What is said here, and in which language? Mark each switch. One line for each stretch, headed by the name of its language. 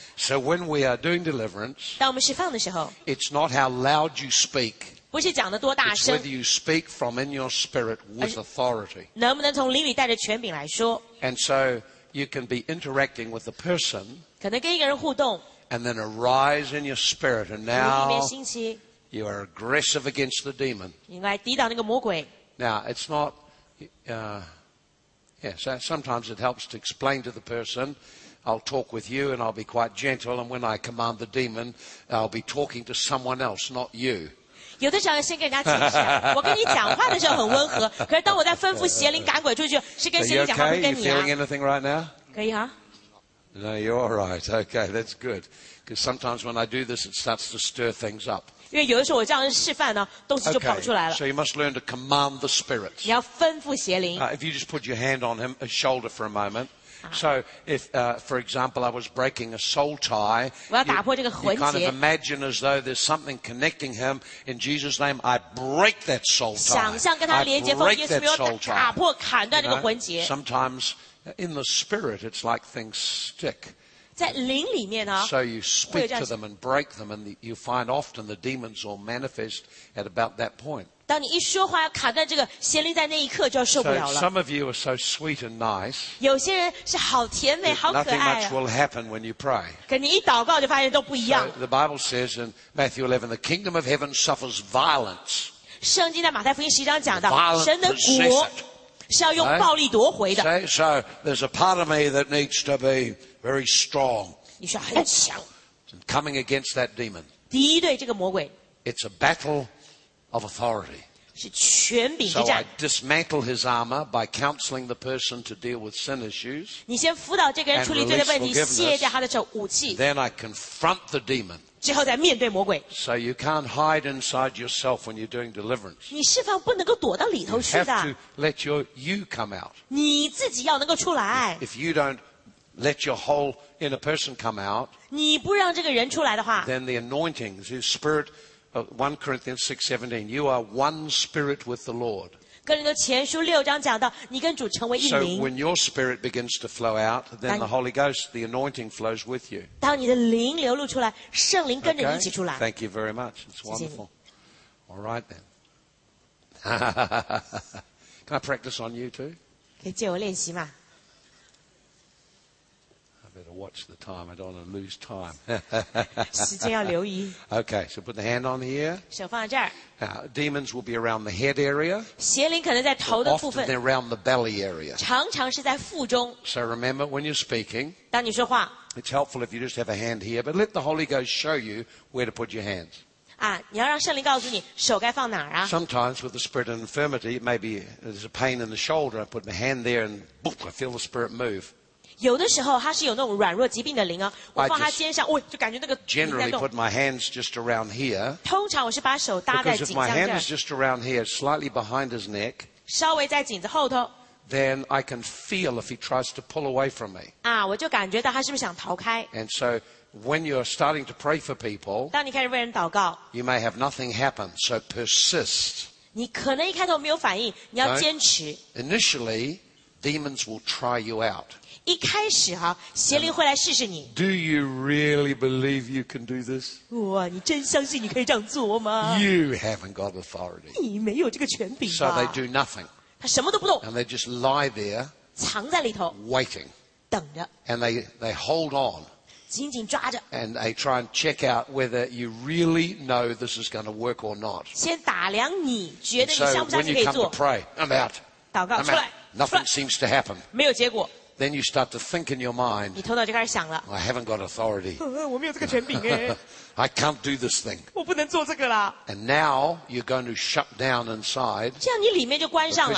English: So when we are doing deliverance, it's not how loud you speak.
Chinese: 不是讲得多大声。
English: It's whether you speak from in your spirit with authority.
Chinese: 能不能从灵里带着权柄来说。
English: And so you can be interacting with the person.
Chinese: 可能跟一个人互动。
English: And then arise in your spirit, and now you are aggressive against the demon.
Chinese: 应该抵挡那个魔鬼。
English: Now it's not, yes. Sometimes it helps to explain to the person. I'll talk with you, and I'll be quite gentle. And when I command the demon, I'll be talking to someone else, not you.
Chinese: 有的时候要先跟人家解释。我跟你讲话的时候很温和，可是当我在吩咐邪灵赶鬼出去，是跟邪灵讲话，不跟你啊。
English: Are you feeling anything right now?
Chinese: 可以啊。
English: No, you're all right. Okay, that's good. Because sometimes when I do this, it starts to stir things up.
Chinese: 因为有的时候我这样示范呢，东西就跑出来了。
English: Okay, so you must learn to command the spirit.
Chinese: 你要吩咐邪灵。
English: If you just put your hand on him, his shoulder for a moment. So if, for example, I was breaking a soul tie,
Chinese: 我要打破这个魂结。
English: You kind of imagine as though there's something connecting him. In Jesus' name, I break that soul tie.
Chinese: 想象跟他连接，奉耶稣名打破、砍断这个魂结。
English: Sometimes. In the spirit, it's like things stick.
Chinese: 在灵里面呢
English: So you speak to them and break them, and you find often the demons will manifest at about that point.
Chinese: 当你一说话要砍断这个邪灵，在那一刻就要受不了了。
English: So some of you are so sweet and nice.
Chinese: 有些人是好甜美，好可爱。
English: Nothing much will happen when you pray.
Chinese: 可你一祷告就发现都不一样。
English: The Bible says in Matthew 11, the kingdom of heaven suffers violence.
Chinese: 圣经在马太福音十一章讲到，神的国。是要用暴力夺回的。
English: So there's a part of me that needs to be very strong.
Chinese: 你需要很强。
English: And coming against that demon.
Chinese: 敌对这个魔鬼。
English: It's a battle of authority.
Chinese: 是权柄之战。
English: So I dismantle his armor by counseling the person to deal with sin issues.
Chinese: 你先辅导这个人处理罪的问题，卸掉他的武器。
English: Then I confront the demon.
Chinese: 之后再面对魔鬼。
English: So you can't hide inside yourself when you're doing deliverance.
Chinese: 你释放不能够躲到里头去的。
English: You have to let your you come out.
Chinese: 你自己要能够出来。
English: If you don't let your whole inner person come out,
Chinese: 你不让这个人出来的话
English: then the anointing, the spirit, 1 Corinthians 6:17, you are one spirit with the Lord.
Chinese: 哥林多前书六章讲到，你跟主成为一灵。
English: So when your spirit begins to flow out, then the Holy Ghost, the anointing flows with you.
Chinese: 当你的灵流露出来，圣灵跟着一起出来。
English: Okay, thank you very much. It's wonderful.
Chinese: 谢谢
English: All right then. Can I practice on you too?
Chinese: 可以借我练习吗
English: I better watch the time. I don't want to lose time.
Chinese: 时间要留意。
English: Okay, so put the hand on here.
Chinese: 手放在这儿。
English: Demons will be around the head area.
Chinese: 邪灵可能在头的部分。
English: Often around the belly area.
Chinese: 常常是在腹中。
English: So remember when you're speaking.
Chinese: 当你说话。
English: It's helpful if you just have a hand here, but let the Holy Ghost show you where to put your hands.
Chinese: 啊，你要让圣灵告诉你手该放哪儿啊。
English: Sometimes with the spirit of infirmity, maybe there's a pain in the shoulder. I put my hand there, and boop, I feel the spirit move.
Chinese: 有的时候他是有那种软弱疾病的灵啊，我放他肩上，哦，就感觉那个。
English: Generally put my hands just around here.
Chinese: 通常我是把手搭在颈项这儿。
English: Because if my hand is just around here, slightly behind his neck.
Chinese: 稍微在颈子后头。
English: Then I can feel if he tries to pull away from me.
Chinese: 啊，我就感觉到他是不是想逃开。
English: And so when you're starting to pray for people.
Chinese: 当你开始为人祷告。
English: You may have nothing happen, so persist.
Chinese: 你可能一开头没有反应，你要坚持。
English: Initially, demons will try you out.
Chinese: 一开始哈，邪灵会来试试你。
English: Do you really believe you can do this?
Chinese: 哇，你真相信你可以这样做吗
English: ？You haven't got authority.
Chinese: 你没有这个权柄。
English: So they do nothing.
Chinese: 他什么都不动。
English: And they just lie there.
Chinese: 藏在里头。
English: Waiting.
Chinese: 等着。
English: And they hold on.
Chinese: 紧紧抓着。
English: And they try and check out whether you really know this is going to work or not.
Chinese: 先打量你觉得你相不相信可以做。
English: So when you come to pray, I'm out.
Chinese: 祷告出来。
English: Nothing seems to happen.
Chinese: 没有结果。
English: Then you start to think in your mind.
Chinese: 你头脑就开始想了。
English: I haven't got authority.
Chinese: 我没有这个权柄哎。
English: I can't do this thing.
Chinese: 我不能做这个啦。
English: And now you're going to shut down inside.
Chinese: 这样你里面就关上了。